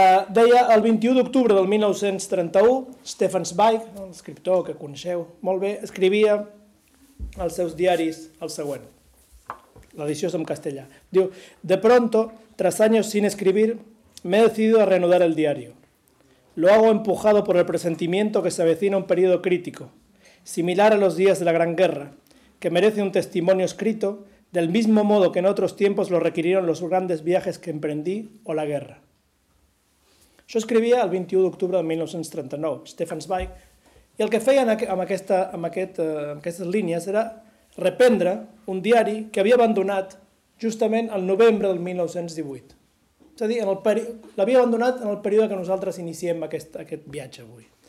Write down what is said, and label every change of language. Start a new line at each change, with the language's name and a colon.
Catalan: Deia, el 21 d'octubre del 1931, Stefan Zweig, l'escriptor que coneixeu molt bé, escrivia als seus diaris el següent. L'edició és en castellà.
Spanish: Diu, de pronto, tras años sin escribir, me he decidido a reanudar el diario. Lo hago empujado por el presentimiento que se avecina un periodo crítico, similar a los días de la Gran Guerra, que merece un testimonio escrito del mismo modo que en otros tiempos lo requirieron los grandes viajes que emprendí o la guerra.
Catalan: Això escrivia el 21 d'octubre de 1939, Stefan Zweig, i el que feia amb aquestes línies era reprendre un diari que havia abandonat justament el novembre del 1918. És a dir, l'havia abandonat en el període que nosaltres iniciem aquest viatge avui.